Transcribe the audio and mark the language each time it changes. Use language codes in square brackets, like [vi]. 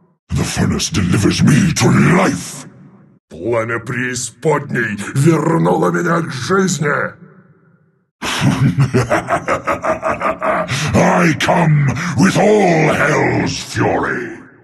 [en] The furnace delivers me to life. [ru] Пламя преисподней вернуло меня к жизни. [en] I come with all hell's fury.